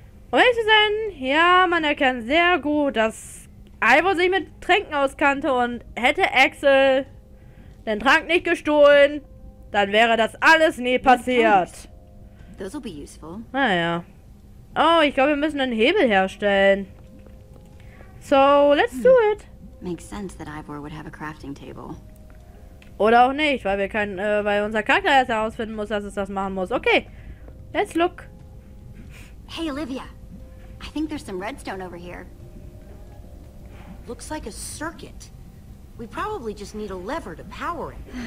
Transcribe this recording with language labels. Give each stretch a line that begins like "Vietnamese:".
German: Um ehrlich zu sein, ja, man erkennt sehr gut, dass Ivor sich mit Tränken auskannte und hätte Axel den Trank nicht gestohlen, dann wäre das alles nie passiert. Naja. Oh, ich glaube, wir müssen einen Hebel herstellen.
English: So, let's do it. Makes sense that Ivor would have a crafting table.
German: Oder auch nicht, weil wir kein, weil unser Charakter erst herausfinden muss, dass es das machen muss.
English: Okay, let's look. Hey Olivia, I think there's some redstone over here. Looks like a circuit. We probably just need a lever to power it.